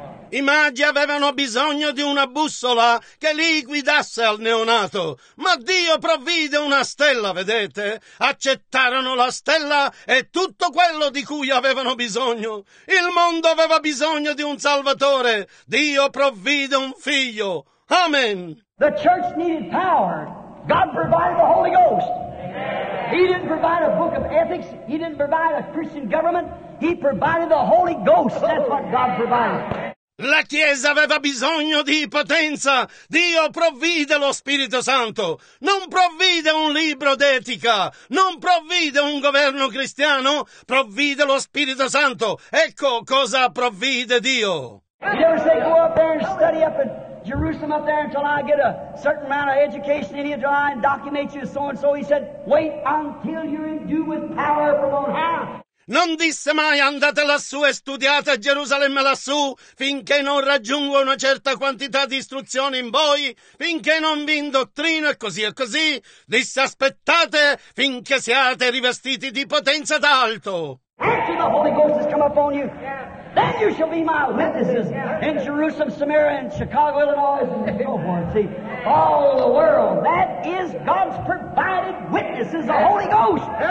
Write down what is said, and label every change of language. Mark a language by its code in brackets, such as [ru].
[it] I magi avevano bisogno di una bussola che li guidasse al neonato, ma Dio provvide una stella, vedete? Accettarono la stella e tutto quello di cui avevano bisogno. Il mondo aveva bisogno di un Salvatore. Dio provvide un figlio. Amen. [en] The church needed power. God provided the Holy Ghost. Amen. He didn't provide a book of ethics. He didn't provide a Christian government. He provided the Holy Ghost. That's what God provided. [it] La Chiesa aveva bisogno di potenza. Dio provvide lo Spirito Santo. Non provvide un libro d'etica. Non provvide un governo cristiano. Provvide lo Spirito Santo. Ecco cosa provvide Dio. [en] You ever say, go up there and study up in Jerusalem up there until I get a certain amount of education in you, until I indoctrinate you, so and so? He said, wait until you're endued with power from on high. [it] Non disse mai andate lassù e studiate a Gerusalemme lassù finché non raggiungo una certa quantità di istruzione in voi, finché non vi indottrino e così, disse aspettate finché siate rivestiti di potenza d'alto. [en] After the Holy Ghost has come upon you, then you shall be my witnesses in Jerusalem, Samaria, and Chicago, Illinois, and so forth. See, all the world, that is God's provided witnesses, the Holy Ghost.